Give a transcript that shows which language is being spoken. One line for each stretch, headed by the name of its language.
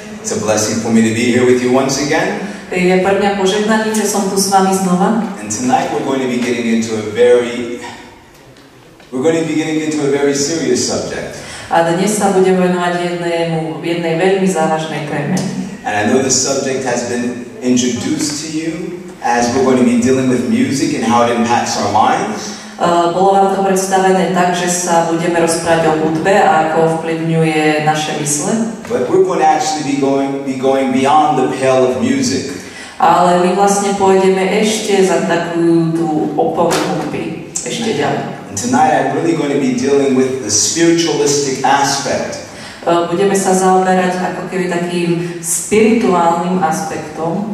English: It's a blessing for me to be here with you once again.
Slovak: Je pre mňa požehnaný, že som tu s vami znova.
English: And tonight we're going to be getting into a very serious subject.
Slovak: A dnes sa budeme venovať jednej veľmi závažnej téme.
English: And I know the subject has been introduced to you as we're going to be dealing with music and how it impacts our minds.
Slovak: Bolo vám to predstavené tak, že sa budeme rozprávať o hudbe a ako ovplyvňuje naše mysle.
English: But we're going to actually be going beyond the pale of music.
Slovak: Ale my vlastne pôjdeme ešte za takú tú oporu hudby, ešte ďalej.
English: And tonight I'm really going to be dealing with the spiritualistic aspect.
Slovak: Budeme sa zaoberať ako keby takým spirituálnym aspektom,